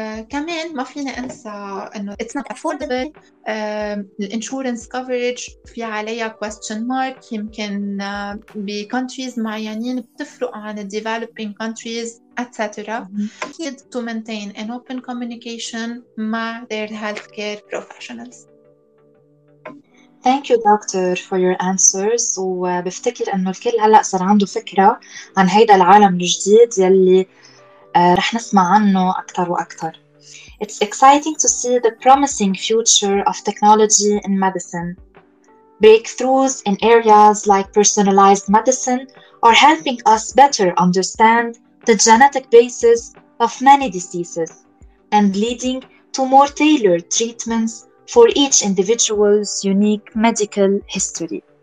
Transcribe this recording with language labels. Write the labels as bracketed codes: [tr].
[ar] كمان ما فينا ننسى إنه [en] it's not affordable. The insurance coverage [ar] في عليها [en] question mark. [ar] يمكن ب countries معينين بتفرق عن [en] developing countries, etc. Need to maintain an open communication [ar] مع [en] their healthcare professionals. Thank you, doctor, for your answers. [ar] وبفتكر إنه الكل هلأ صار عنده فكرة عن هيدا العالم الجديد يلي رح نسمع عنه أكثر وأكثر. [en] It's exciting to see the promising future of technology in medicine. Breakthroughs in areas like personalized medicine are helping us better understand the genetic basis of many diseases and leading to more tailored treatments for each individual's unique medical history.